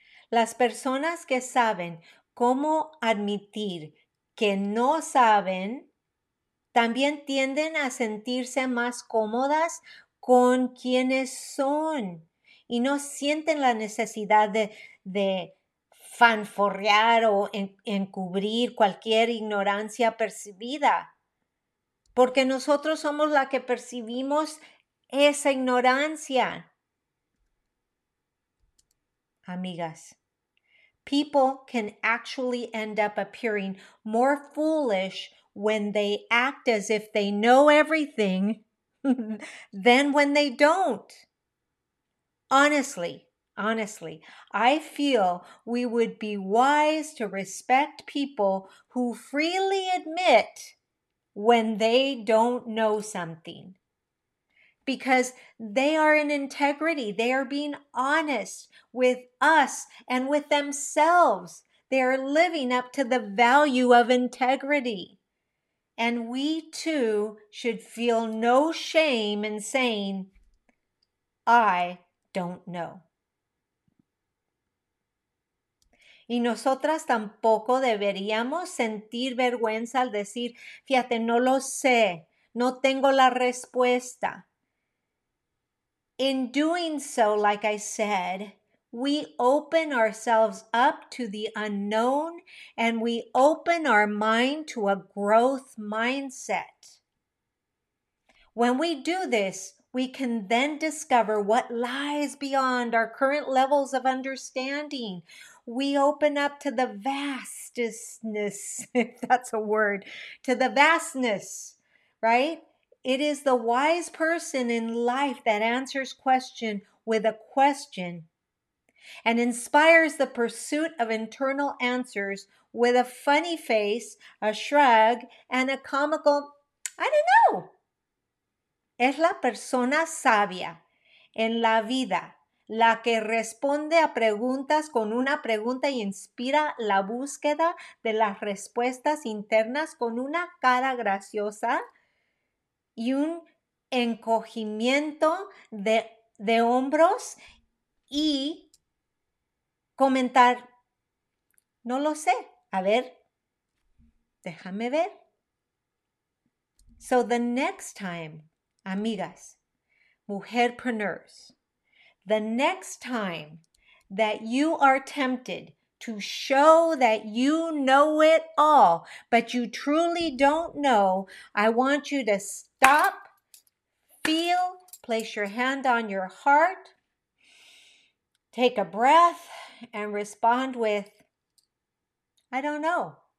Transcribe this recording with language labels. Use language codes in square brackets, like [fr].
[es] Las personas que saben cómo admitir que no saben también tienden a sentirse más cómodas con quienes son y no sienten la necesidad de fanfarrear o encubrir cualquier ignorancia percibida. Porque nosotros somos la que percibimos esa ignorancia. [en] Amigas, people can actually end up appearing more foolish when they act as if they know everything than when they don't. Honestly, I feel we would be wise to respect people who freely admit when they don't know something. Because they are in integrity. They are being honest with us and with themselves. They are living up to the value of integrity. And we too should feel no shame in saying, I don't know. [es] Y nosotras tampoco deberíamos sentir vergüenza al decir, fíjate, no lo sé, no tengo la respuesta. [en] In doing so, like I said, we open ourselves up to the unknown and we open our mind to a growth mindset. When we do this, we can then discover what lies beyond our current levels of understanding. We open up to the vastness, if that's a word, to the vastness, right? It is the wise person in life that answers question with a question and inspires the pursuit of internal answers with a funny face, a shrug, and a comical, I don't know. [es] Es la persona sabia en la vida la que responde a preguntas con una pregunta y inspira la búsqueda de las respuestas internas con una cara graciosa y un encogimiento de hombros y comentar, no lo sé, a ver, déjame ver. [en] So the next time, amigas, mujerpreneurs, the next time that you are tempted to show that you know it all, but you truly don't know, I want you to stop, feel, place your hand on your heart, take a breath, and respond with, I don't know.